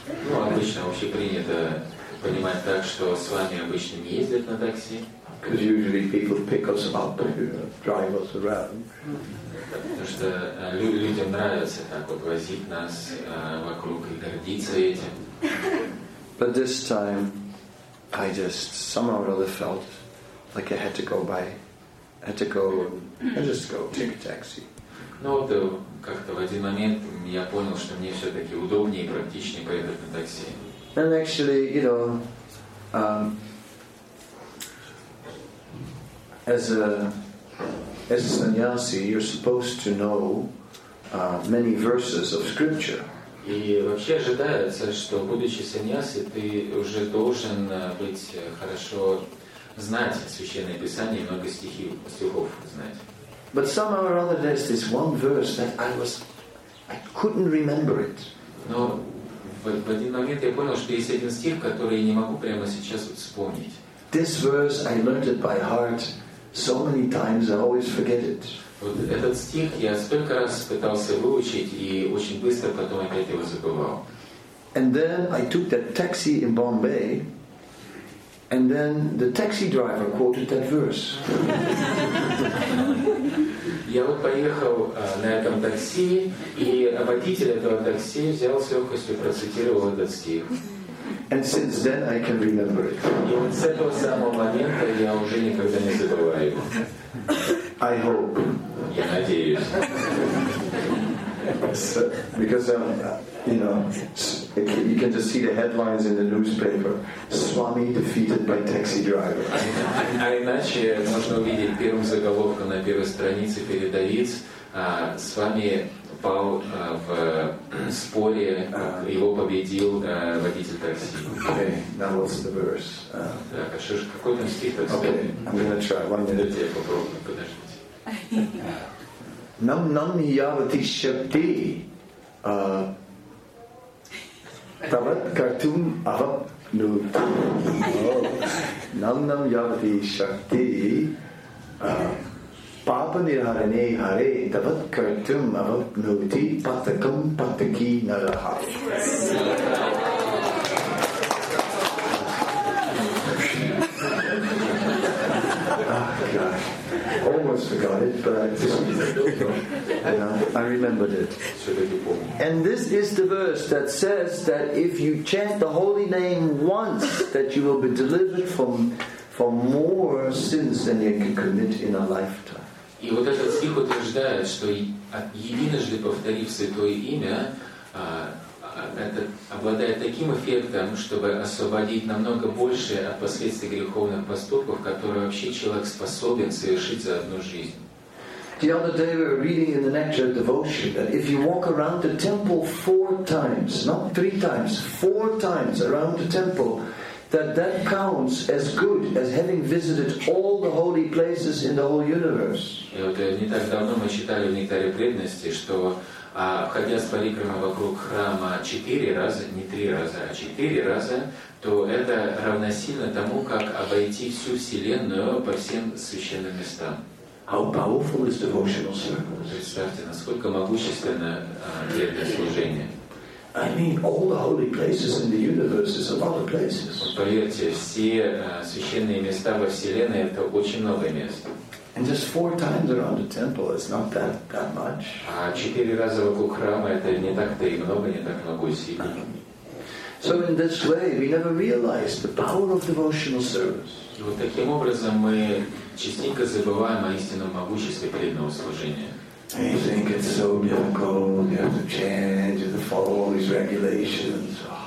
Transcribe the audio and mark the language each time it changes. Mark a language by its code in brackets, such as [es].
[ru] Ну, обычно вообще принято понимать так, что свами обычно не ездят на такси. [en] Because usually people pick us up, you know, drive us around. [ru] Потому что людям нравится так вот возить нас вокруг и гордиться этим. [en] But this time, I just somehow or other felt like I had to go by, take a taxi. [ru] Ну вот как-то в один момент я понял, что мне все-таки удобнее и практичнее поехать на такси. [en] And actually, you know, As a sannyasi, you're supposed to know many verses of scripture. [ru] И вообще ожидается, что будучи сannyasi, ты уже должен быть хорошо знать священное писание, много стихов знать. [en] But somehow or other, there's this one verse that I couldn't remember it. [ru] Но в один момент я понял, что есть один стих, который я не могу прямо сейчас вот вспомнить. [en] This verse I learned it by heart. So many times I always forget it. [ru] Вот этот стих я столько раз пытался выучить и очень быстро потом опять его забывал. [en] And then I took that taxi in Bombay, and then the taxi driver quoted that verse. [ru] Я вот поехал на этом такси, и водитель этого такси взял с легкостью процитировал этот стих. [en] And since then, I can remember it. [ru] И вот с этого самого момента я уже никогда не забываю его. [en] I hope. [ru] Я надеюсь. [en] So, because, you know, you can just see the headlines in the newspaper. Swami defeated by taxi driver. [ru] А иначе можно увидеть первым заголовком на первой странице передовиц. Свами пал в споре, его победил водитель такси. [en] Okay, now what's the verse? [ru] Так, а что ж, какой там стих такси? [en] Okay, I'm gonna try. One minute. [ru] Дайте я попробую, подождите. [sa] Нам нам явати шапти тават картун авап нуту. Нам нам явати шапти Papa Niharane Hare Tavat Kartum Avat Nuti Patakam Pataki Naraha. [en] Oh gosh. Almost forgot it, but I remembered it. And this is the verse that says that if you chant the holy name once, that you will be delivered from more sins than you can commit in a lifetime. [ru] И вот этот стих утверждает, что единожды повторив святое имя, это обладает таким эффектом, чтобы освободить намного больше от последствий греховных поступков, которые вообще человек способен совершить за одну жизнь. [en] The other day we were reading in the lecture of devotion that if you walk around the temple four times, not three times, four times around the temple, that counts as good as having visited all the holy places in the whole universe. [ru] И вот не так давно мы читали в Нектаре Преданности, что входя с парикрамой вокруг храма четыре раза, не три раза, а четыре раза, то это равносильно тому, как обойти всю Вселенную по всем священным местам. [en] How powerful is devotional service? [ru] Представьте, насколько могущественно это служение. [en] I mean, all the holy places in the universe is a lot of places. [ru] Поверьте, все священные места во Вселенной — это очень много мест. [en] And just four times around the temple is not that much. [ru] А четыре раза вокруг храма — это не так-то и много, не так много усилий. [en] So in this way, we never realize the power of devotional service. [ru] И вот таким образом мы частенько забываем о истинном могуществе преданного служения. [en] You think it's so difficult, you have to chant, you have to follow all these regulations.